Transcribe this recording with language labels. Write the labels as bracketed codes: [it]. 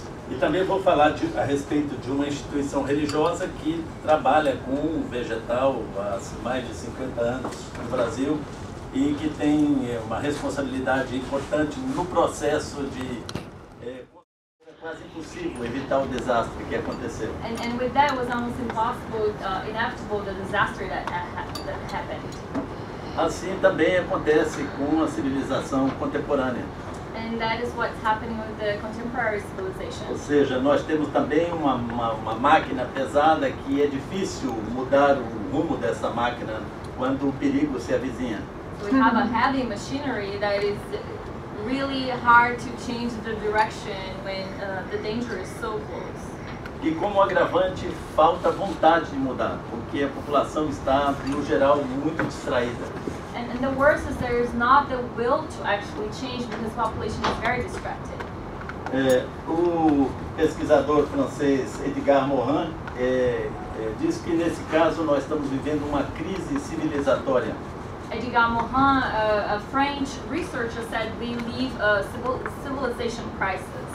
[pt] E também vou falar a respeito de uma instituição religiosa que trabalha com vegetal há mais de 50 anos no Brasil e que tem uma responsabilidade importante no processo de quase impossível evitar o desastre que aconteceu. [en] And with that, it was almost inevitable the disaster that happened. [pt] Assim também acontece com a civilização contemporânea. [en] And that is what's happening with the contemporary civilization. [pt] Ou seja, nós temos também uma máquina pesada que é difícil mudar o rumo dessa máquina quando o perigo se avizinha. [en] We have a heavy machinery that is really hard to change the direction when the danger is so close. [pt] E como agravante, falta vontade de mudar, porque a população está, no geral, muito distraída. [en] And the worst is there is not the will to actually change because the population is very distracted. [pt] O pesquisador francês Edgar Morin diz que nesse caso nós estamos vivendo uma crise civilizatória. [en] Edgar Morin, a French researcher, said we live a civilization crisis.